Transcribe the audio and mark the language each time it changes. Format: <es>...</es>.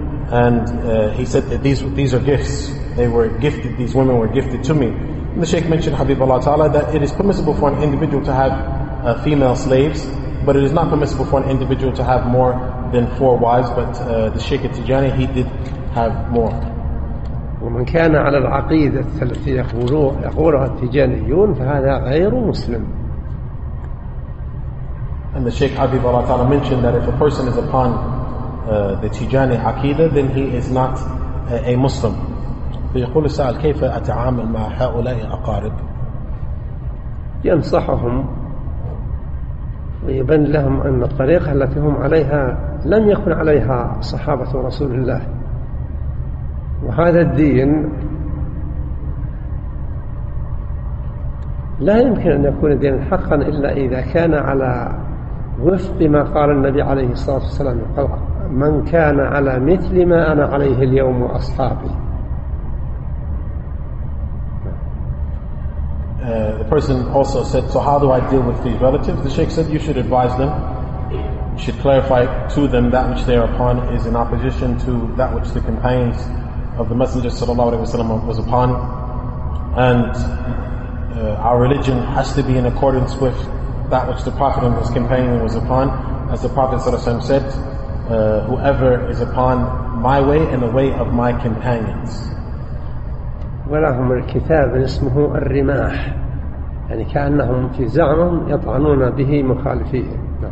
<en>And he said that these are gifts. They were gifted. These women were gifted to me. And the Shaykh mentioned, Habib Allah Ta'ala, that it is permissible for an individual to have female slaves, but it is not permissible for an individual to have more than 4 wives. But the Shaykh of Tijani, he did have more.</en> <ar>ومن كان على العقيدة التي يقولها التجانيون فهذا غير مسلم.</ar> <en>And the Shaykh Habib Allah Ta'ala mentioned that if a person is upon the Tijani Aqida, then he is not a Muslim.</en> <ar>فيقول السائل كيف أتعامل مع هؤلاء الأقارب؟ ينصحهم ويبين لهم أن الطريقة التي هم عليها لم يكن عليها صحابة رسول الله، وهذا الدين لا يمكن أن يكون دينا حقا إلا إذا كان على وفق ما قال النبي عليه الصلاة والسلام، قال من كان على مثل ما أنا عليه اليوم وأصحابي.</ar> <en>The person also said, so how do I deal with these relatives? The Sheikh said, you should advise them, You should clarify to them that which they are upon is in opposition to that which the companions of the Messenger sallallahu alaihi wasallam was upon. And our religion has to be in accordance with that which the Prophet and his companion was upon. As the Prophet sallallahu alaihi wasallam said, whoever is upon my way and the way of my companions.</en> <ar>ولهم الكتاب اسمه الرماح يعني كأنهم في زعم يطعنون به مخالفيه.</ar>